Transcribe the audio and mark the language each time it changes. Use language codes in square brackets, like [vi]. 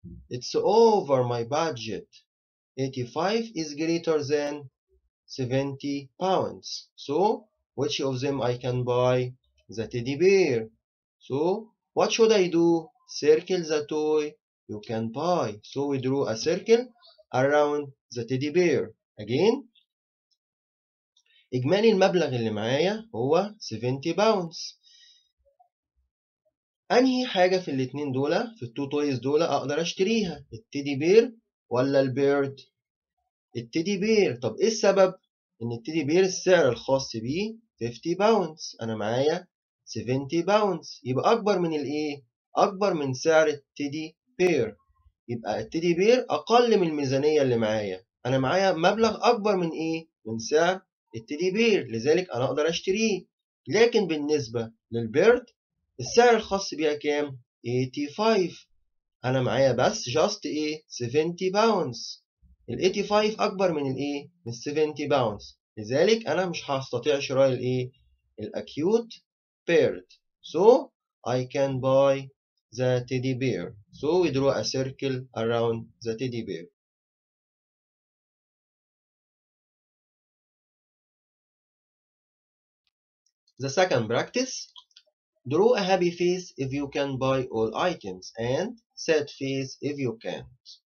[en] It's over my budget. 85 is greater than 70 pounds. So, which of them I can buy the teddy bear? So, what should I do? Circle the toy you can buy. So, we drew a circle around the teddy bear. Again, [ar] إجمالي المبلغ اللي معايا هو 70 pounds. أنهي حاجة في الاتنين دولة في التو تويز دولة أقدر أشتريها؟ التيدي بير ولا البيرد؟ التيدي بير. طب إيه السبب؟ إن التيدي بير السعر الخاص به 50 pounds، أنا معايا 70 pounds، يبقى أكبر من الإيه؟ أكبر من سعر التيدي بير، يبقى التيدي بير أقل من الميزانية اللي معايا، أنا معايا مبلغ أكبر من إيه؟ من سعر التيدي بير، لذلك أنا أقدر أشتريه، لكن بالنسبة للبيرد السعر الخاص بيها كام؟ 85. أنا معايا بس [en] just [ar] إيه؟ 70 pounds. الـ 85 أكبر من الـ إيه؟ من الـ 70 pounds. لذلك أنا مش هستطيع شراء الـ إيه؟ الـ acute paired. [en] So I can buy the teddy bear. So we draw a circle around the teddy bear. The second practice. Draw a happy face if you can buy all items and sad face if you can't.